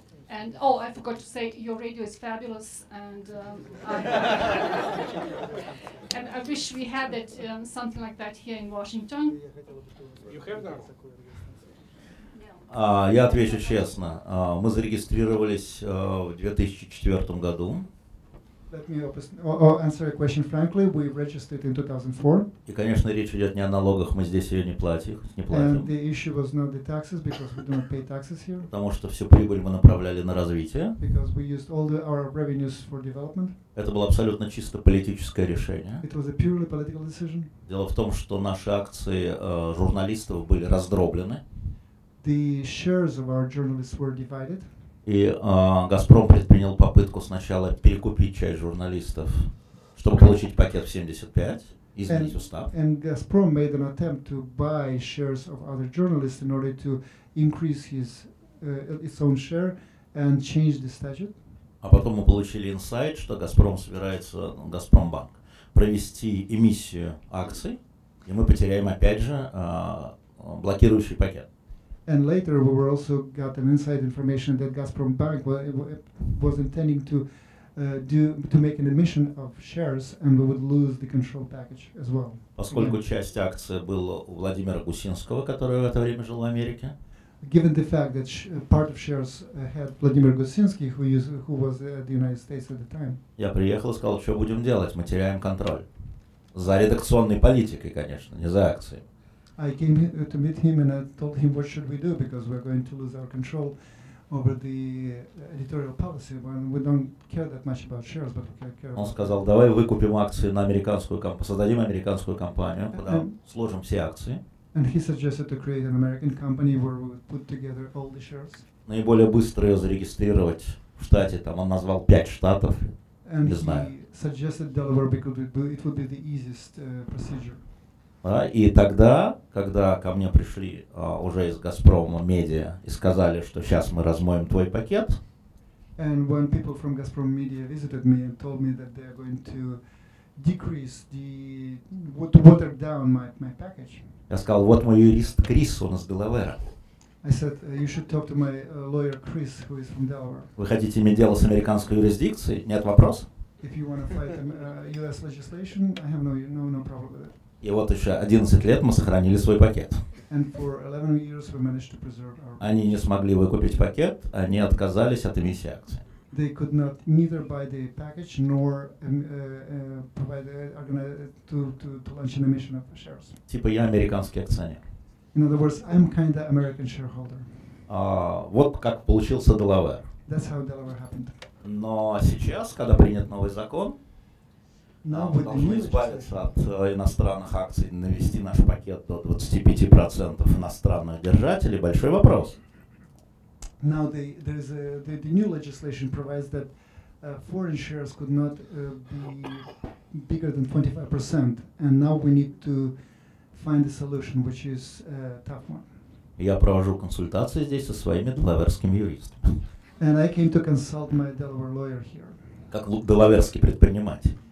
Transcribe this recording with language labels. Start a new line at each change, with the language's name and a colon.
English: And, oh, I forgot to say, your radio is fabulous, and and I wish we had it, something like that here in Washington. You have that?
Russian: Я отвечу честно. Мы зарегистрировались в 2004 году.
English: Let me answer your question frankly. We registered in 2004.
Russian: И, конечно, речь идет не о налогах, мы здесь ее не платим.
English: And the issue was not the taxes because we don't pay taxes here.
Russian: Потому что всю прибыль мы направляли на развитие.
English: Because we used all our revenues for development.
Russian: Это было абсолютно чисто политическое решение.
English: It was a purely political decision.
Russian: Дело в том, что наши акции журналистов были раздроблены.
English: The shares of our journalists were divided.
Russian: И «Газпром» предпринял попытку сначала перекупить часть журналистов, чтобы получить пакет в 75, изменить устав.
English: And «Газпром» made an attempt to buy shares of other journalists in order to increase his its own share and change the statute.
Russian: А потом мы получили инсайт, что «Газпром» собирается, «Газпромбанк», провести эмиссию акций, и мы потеряем опять же блокирующий пакет.
English: And later we were also got an inside information that Gazprom Bank was intending to make an emission of shares and we would lose the control package as well.
Russian: Поскольку часть акции была у Владимира Гусинского, который в это время жил в Америке.
English: Given the fact that part of shares had Vladimir Gusinsky, who was at the United States at the time.
Russian: Я приехал и сказал, что будем делать, мы теряем контроль. За редакционной политикой, конечно, не за акции.
English: I came to meet him and I told him what should we do because we're going to lose our control over the editorial policy when we don't care that much about shares but we care about.
Russian: Он сказал: "Давай выкупим акции на американскую компанию, создадим американскую компанию, куда сложим все акции".
English: And he suggested to create an American company where we would put together all the shares.
Russian: Наиболее быстро ее зарегистрировать в штате, там он назвал 5 штатов.
English: And
Russian: не знаю.
English: He suggested Delaware because it would be the easiest procedure.
Russian: Да, и тогда, когда ко мне пришли уже из «Газпрома» медиа и сказали, что сейчас мы размоем твой пакет,
English: and when people from Gazprom media visited me and told me that they are going to decrease the water down my package,
Russian: я сказал, вот мой юрист Крис, он из Делавера.
English: I said you should talk to my lawyer Chris, who is from Delaware.
Russian: Вы хотите иметь дело с американской юрисдикцией? Нет вопрос.
English: If you want to fight U.S. legislation, I have no problem with it.
Russian: И вот еще 11 лет мы сохранили свой пакет.
English: And for 11 years we managed to preserve our.
Russian: Они не смогли выкупить пакет, они отказались от эмиссии акций.
English: They could not neither buy the package nor provide to launch an emission of shares.
Russian: Типа я американский акционер.
English: In other words, I'm kind of American shareholder.
Russian: Вот как получился Delaware.
English: That's how Delaware happened.
Russian: Но сейчас, когда принят новый закон, мы должны избавиться от иностранных акций, навести наш пакет до 25% иностранных держателей. Большой вопрос.
English: Now the new legislation provides that foreign shares could not be bigger than 25%, and now we need to find a solution, which is a tough one.
Russian: Я провожу консультации здесь со своими делаверскими юристами.
English: And I came to consult my Delaware lawyer here.
Russian: Как делаверский предприниматель.